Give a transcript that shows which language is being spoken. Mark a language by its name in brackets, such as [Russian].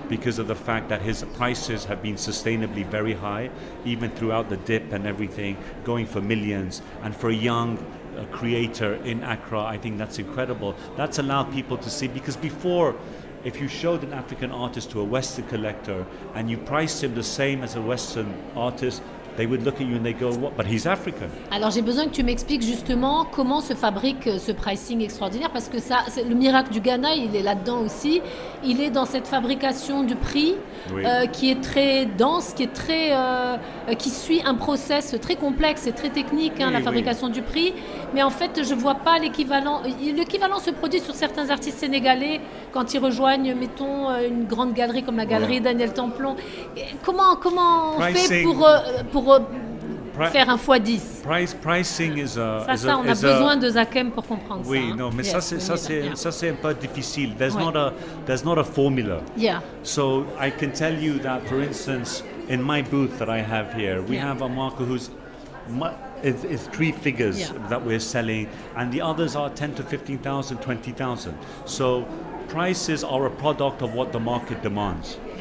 [English] Because of the fact that his prices have been sustainably very high, even throughout the dip and everything, going for millions. And for a creator in Accra, I think that's incredible. That's allowed people to see, because before, if you showed an African artist to a Western collector and you priced him the same as a Western artist, they would look at you and they go, what? But he's African. [French] Alors j'ai besoin que tu m'expliques justement comment se fabrique ce pricing extraordinaire, parce que ça, c'est le miracle du Ghana, il est là-dedans aussi. Il est dans cette fabrication du prix qui est très dense, qui est très, qui suit un process très complexe et très technique, la fabrication du prix. Mais en fait, je ne vois pas l'équivalent. L'équivalent se produit sur certains artistes sénégalais quand ils rejoignent, mettons, une grande galerie comme la galerie Daniel Templon. Comment on fait pour... faire un fois 10. [English] Pricing is a, [French] ça, on a besoin de Zakem pour comprendre ça. Oui, non, mais ça c'est un peu difficile. [English] There's not a formula. Yeah. So I can tell you that, for instance, in my booth that I have here, we have a marker who's is three figures that we're selling, and the others are 10 to 15,000, 20,000. So prices are a product of what the market demands.